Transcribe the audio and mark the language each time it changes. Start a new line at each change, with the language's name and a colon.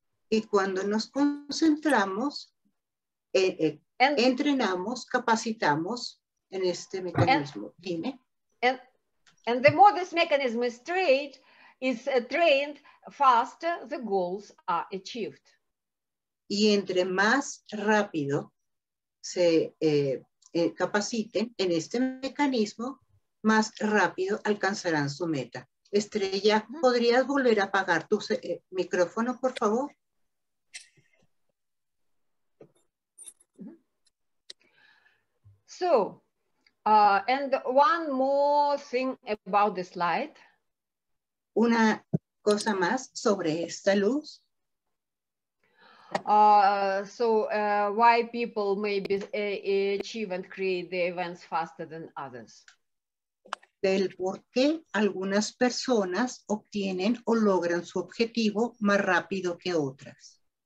Spanish: Y cuando nos concentramos, entrenamos, capacitamos en este mecanismo. Dime.
English: And the more this mechanism is trained, faster the goals are achieved.
Spanish: Y entre más rápido se capaciten en este mecanismo, más rápido alcanzarán su meta. Estrella, ¿podrías volver a apagar tu micrófono, por favor?
English: So, and one more thing about this light.
Spanish: Una cosa más sobre esta luz.
English: Why people maybe achieve and create the events faster than others.
Spanish: Del por qué algunas personas obtienen o logran su objetivo más rápido que otras.